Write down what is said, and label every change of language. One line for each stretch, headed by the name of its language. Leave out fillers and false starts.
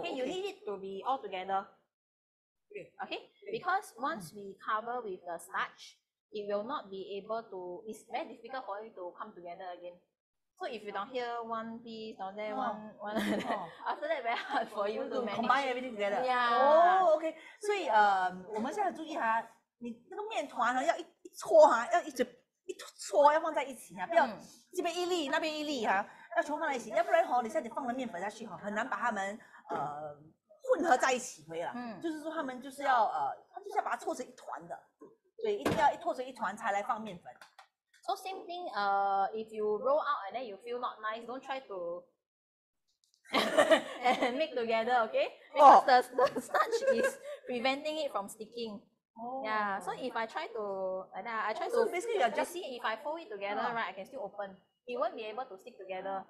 English: okay, you need it to be all together. Okay. Because once we cover with the starch. It will not be able to. It's very difficult for it to come together again. So if you down here one piece, down there one, after that very hard for you to manage. Combine everything together. Yeah. Oh, okay.
Chinese: So, 我们现在注意哈，你那个面团哈，要一搓哈，要一直一搓，要放在一起哈，不要这边一粒，那边一粒哈，要全放在一起，要不然哈，你现在放了面粉下去哈，很难把它们混合在一起回来。就是说它们就是要它就是要把它搓成一团的。对，一定要一拖成一团才来放面粉。
English: So same thing, if you roll out and then you feel not nice, don't try to and make together, okay? Because the starch is preventing it from sticking. Yeah. So if I try to like that, I try to basically you just see if I fold it together, right? I can still open. It won't be able to stick together.